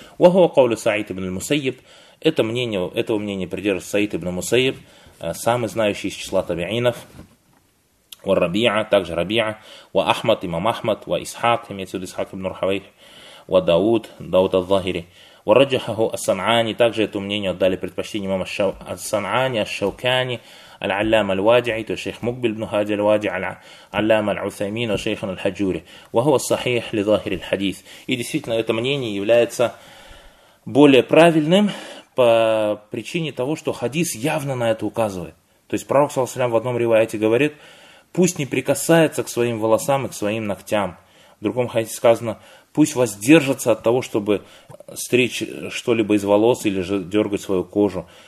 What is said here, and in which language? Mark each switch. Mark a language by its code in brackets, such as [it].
[ar] Уахуа кавлю [ru] Саид ибн Мусайиб. Это мнение, этого мнения придерживается Саид ибн Мусайиб, самый знающий из числа табиинов. Ва Рабиа, также Рабиа. Ва Ахмад, имам Ахмад. Ва Исхак, имеется в виду Исхак ибн Рухавейх. [ar] Ва Дауд, Дауд ал-Захири. Ва Раджахаху ас-Санани. [ru] Также это мнение отдали предпочтение имам ас-Санани, ас-Шаукани. [ar] العلامة الواجعي وشيخ مقبل بن هادي الواجعي العلامة العثيمين وشيخنا الحجوري وهو الصحيح لظاهر الحديث. [ru] И действительно, это мнение является более правильным по причине того, что хадис явно на это указывает. То есть пророк саллаллаху алейхи ва саллям в одном ривайте говорит: пусть не прикасается к своим волосам и к своим ногтям. В другом хадисе сказано: пусть воздержится от того, чтобы стричь что-либо из волос или же дергать свою кожу.